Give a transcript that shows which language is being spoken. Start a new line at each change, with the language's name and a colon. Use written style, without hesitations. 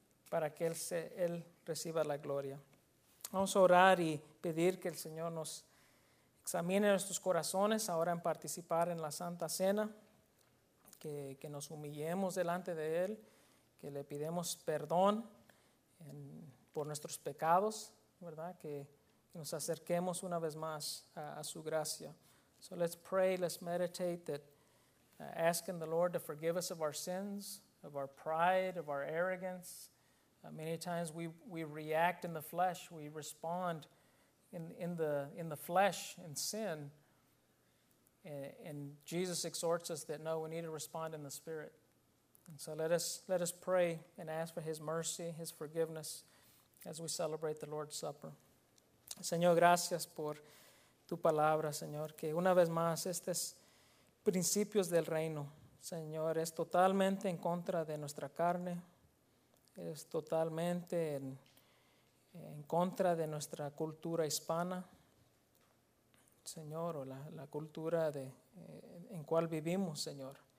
Spanish: Para que Él reciba la gloria. Vamos a orar y pedir que el Señor nos examine nuestros corazones ahora en participar en la Santa Cena, que nos humillemos delante de Él, que le pidamos perdón por nuestros pecados, ¿verdad? Que nos acerquemos una vez más a su gracia.
English: So let's pray, let's meditate, that asking the Lord to forgive us of our sins, of our pride, of our arrogance. Many times we react in the flesh, we respond in the flesh and sin, and Jesus exhorts us that no, we need to respond in the Spirit. And so let us pray and ask for His mercy, His forgiveness, as we celebrate the Lord's Supper.
Spanish: Señor, gracias por tu palabra, Señor, que una vez más estos principios del reino, Señor, es totalmente en contra de nuestra carne, es totalmente en contra de nuestra cultura hispana, Señor, o la cultura en cual vivimos, Señor.